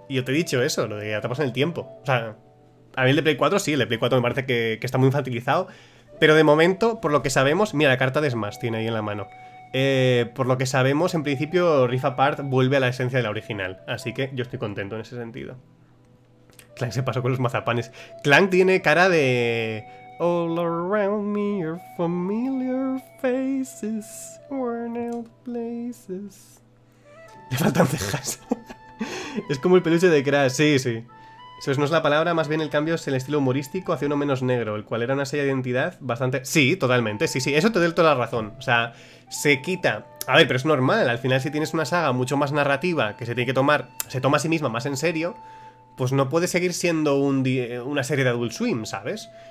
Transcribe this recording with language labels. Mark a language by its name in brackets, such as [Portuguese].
[Spanish] Y yo te he dicho eso, lo de Atrapados en el Tiempo. O sea, a mí el de Play 4, sí, el de Play 4 me parece que está muy infantilizado. Pero de momento, por lo que sabemos, mira, la carta de Smash tiene ahí en la mano. Por lo que sabemos, en principio Rift Apart vuelve a la esencia de la original. Así que yo estoy contento en ese sentido. Clank se pasó con los mazapanes. Clank tiene cara de... [English] All around me are familiar faces, worn out places. [Spanish] Le faltan cejas. Es como el peluche de Crash. Sí, sí. Eso no es la palabra, más bien el cambio es el estilo humorístico hacia uno menos negro, el cual era una sella de identidad bastante... Sí, totalmente, sí, sí, eso te doy toda la razón. O sea, se quita... A ver, pero es normal, al final si tienes una saga mucho más narrativa que se tiene que tomar, se toma a sí misma más en serio, pues no puede seguir siendo una serie de Adult Swim, ¿sabes?